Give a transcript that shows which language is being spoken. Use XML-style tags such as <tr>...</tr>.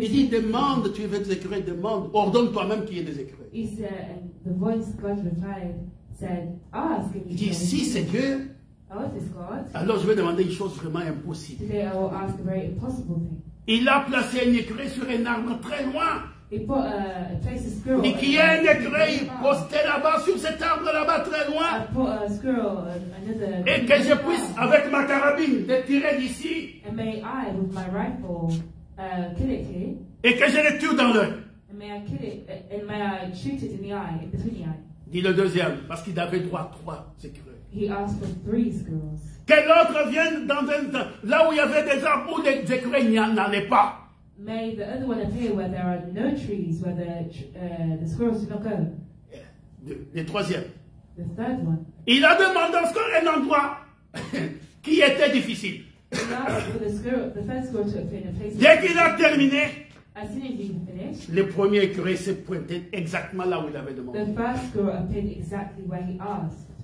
<fr>Il dit, demande, tu veux des écureuils, demande, ordonne toi-même qu'il y ait des écureuils.</fr> <en>He said, and the voice God replied, said, ask</en> <fr>Il dit, si c'est Dieu, alors je vais demander une chose vraiment impossible.</fr> <en>Today I will ask a very impossible thing.</en> <fr>Il a placé un écureuil sur un arbre très loin. Il dit qu'il y a un écureuil posté là-bas, sur cet arbre là-bas très loin. Et que je puisse, avec ma carabine, le tirer d'ici.</fr> <en>And may I, with my rifle, kill it here.</en> <fr>Et que je le tue dans l'œil.</fr> <en>And may I shoot it in the eye, in between the eye.</en> <fr>Dit le deuxième, parce qu'il avait droit à trois écureuils.</fr> <en>He asked for three squirrels.</en> <fr>Que l'autre vienne dans un là où il y avait des arbres où les écureuils n'y en allaient pas.</fr> <en>May the other one appear where there are no trees, where the squirrels do not go.</en> <fr>Le troisième.</fr> <en>The third one.</en> <fr>Il a demandé encore un endroit qui était difficile. Dès qu'il a terminé.</fr> <en>As soon as you finished,</en> <fr>le premier écureuil s'est pointé exactement là où il avait demandé.</fr> <en>The first squirrel appeared exactly where he asked.</en>